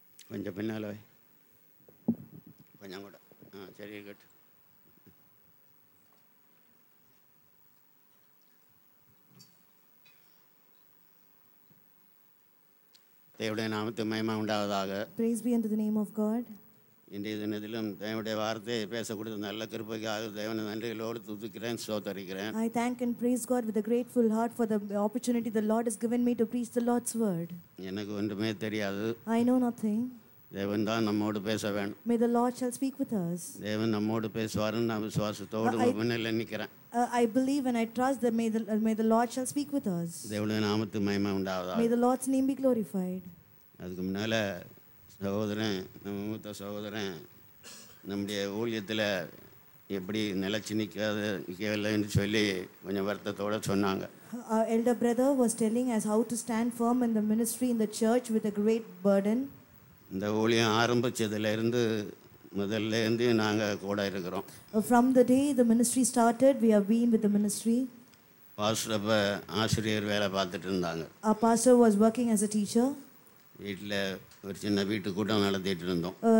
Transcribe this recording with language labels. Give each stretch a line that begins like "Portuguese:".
Tamil: கொஞ்சம் பின்னால கொஞ்சம் கூட ஆ சரி கட் தேவனுடைய நாமத்து மகிமை உண்டாவதாக.
English: Praise be unto the name of God.
Tamil: இன்றைய தினத்திலும் தேவனுடைய வார்த்தை பேச கொடுத்த நல்ல கிருபைக்காக தேவனை நன்றிகளோடு துதிக்கிறேன் ஸ்தோத்தரிக்கிறேன்.
English: I thank and praise God with a grateful heart for the opportunity the Lord has given me to preach the Lord's word.
Tamil: எனக்கு ஒன்றுமே தெரியாது.
English: I know nothing.
Tamil: தேவன் தான் நம்மோடு பேச வேணும்.
English: May the Lord shall speak with us.
Tamil: தேவன் நம்மோடு பேசுவாருன்னு நான் விசுவாசத்தோடு முன்னில் நிற்கிறேன்.
English: I believe and I trust that may the Lord shall speak with us.
Tamil: தேவனுடைய நாமத்துக்கு மகிமை உண்டாவதாக.
English: May the Lord's name be glorified.
Tamil: அதுக்கு முன்னால சகோதரன், நம்ம மூத்த சகோதரன் நம்முடைய ஊழியத்தில் எப்படி நிலைச்சி நிற்காத நிற்கவில்லைன்னு சொல்லி கொஞ்சம் வருத்தத்தோடு சொன்னாங்க.
English: Our elder brother was telling us how to stand firm in the ministry in the church with a great burden.
Tamil: இந்த ஊழியம் ஆரம்பித்ததுலேருந்து முதல்லேருந்து நாங்கள் கூட இருக்கிறோம்.
English: From the day the ministry started, we have been with the ministry.
Tamil: Pastor அப்போ ஆசிரியர் வேலை பார்த்துட்டு இருந்தாங்க.
English: Our pastor was working as a teacher.
Tamil: வீட்டில் ஒரு சின்ன வீட்டு கூட்டம் நடத்திட்டு இருந்தோம்.